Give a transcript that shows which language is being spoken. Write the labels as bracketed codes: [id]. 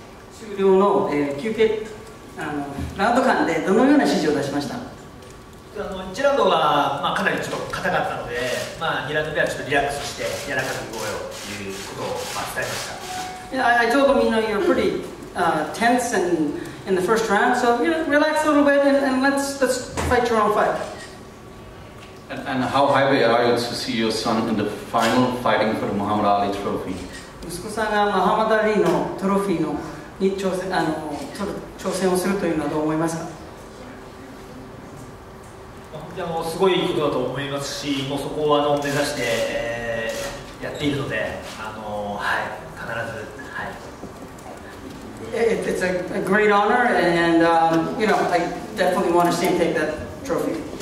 [ja] 終了の、休憩ラウンド間でどのような指示を出しました？ 1ラウンドは、かなりちょっと硬かったので、2ラウンド目はちょっとリラックスして柔らかく動こうということを、伝えました。 [en] I told them, you're pretty tense and in the first round, so relax a little bit and let's fight your own fight. And how happy are you to see your son in the final fighting for the Muhammad Ali trophy? [ja] 息子さんがマハマダリーのトロフィーのに挑戦をするというのはどう思いますか？すごいことだと思いますし、もうそこを目指して、やっているので、はい、必ず、はい。 [en] It's a great honor, and I definitely want to see him take that trophy.